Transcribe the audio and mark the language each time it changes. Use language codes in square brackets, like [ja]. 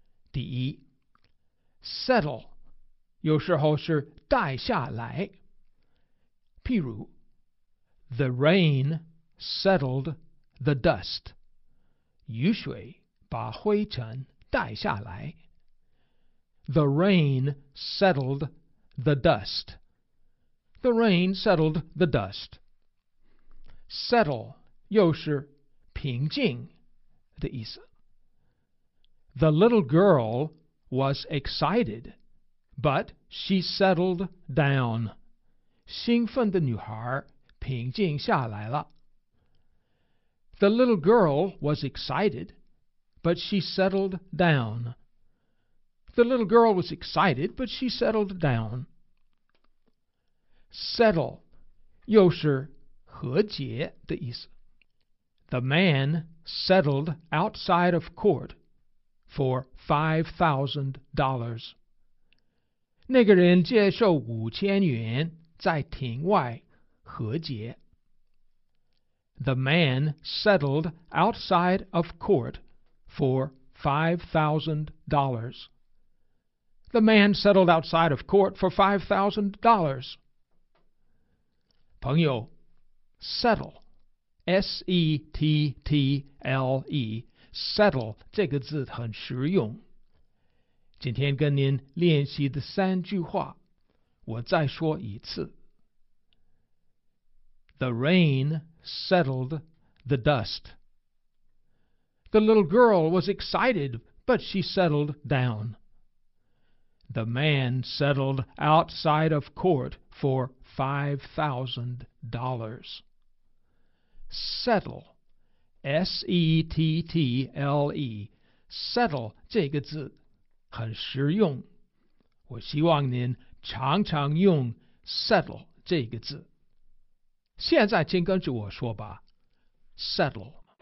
[zh] 第一， settle 有时候是带下来，譬如 [en] The rain settled the dust， [zh] 雨水把灰尘带下来。 [en] The rain settled the dust， The rain settled the dust。 [zh] Settle 又是平静的意思。 [en] The little girl was excited， but she settled down， [zh] 兴奋的女孩平静下来了。 [en] The little girl was excited， but she settled down。 The little girl was excited， but she settled down。 [zh] Settle 又是和解的意思。 [en] The man settled outside of court for $5,000。 [zh] 那个人接受5000元在庭外和解。 [en] The man settled outside of court for $5,000. The man settled outside of court for $5,000. [zh] 朋友， settle， S-E-T-T-L-E， settle 这个字很实用。今天跟您练习的三句话我再说一次。 [en] The rain settled the dust. The little girl was excited, but she settled down. The man settled outside of court for $5,000. [zh] Settle, S-E-T-T-L-E, settle 这个字很实用。我希望您常常用 settle 这个字。现在请跟着我说吧， settle。